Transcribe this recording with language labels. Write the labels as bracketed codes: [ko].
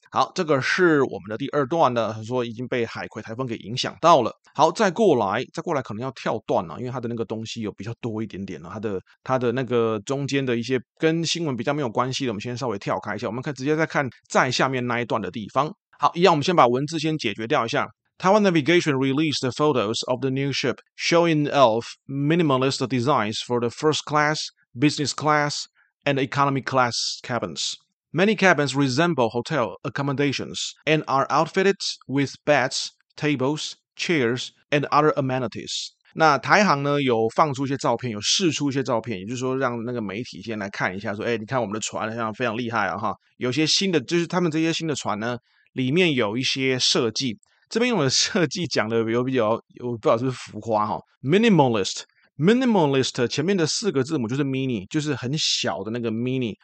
[zh] 好，这个是我们的第二段的，说已经被海葵台风给影响到了。好，再过来可能要跳段了，因为它的那个东西有比较多一点点了，它的那个中间的一些跟新闻比较没有关系的，我们先稍微跳开一下，我们可以直接再看在下面那一段的地方。好，一样，我们先把文字先解决掉一下。 [en] Taiwan Navigation released the photos of the new ship showing off minimalist designs for the first class, business class, and economy class cabins. Many cabins resemble hotel accommodations and are outfitted with beds, tables, chairs, and other amenities. [zh] 那台航呢有放出一些照片，有释出一些照片，也就是说让那个媒体先来看一下，说，哎，你看我们的船好像非常厉害啊，哈，有些新的，就是他们这些新的船呢，里面有一些设计。这边用的设计讲的有比较，我不知道是不是浮夸哈 ，minimalist 前面的四个字母就是 mini， 就是很小的那个 mini。